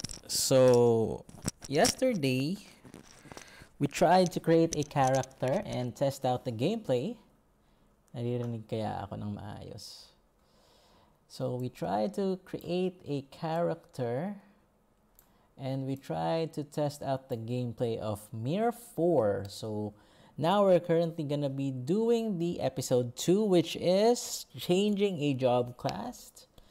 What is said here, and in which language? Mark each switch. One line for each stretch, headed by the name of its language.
English: So, yesterday, we tried to create a character and test out the gameplay.
Filipino: Naririnig kaya ako ng maayos.
English: So, we tried to create a character and we tried to test out the gameplay of MIR4. So, now we're currently gonna be doing the episode 2, which is changing a job class.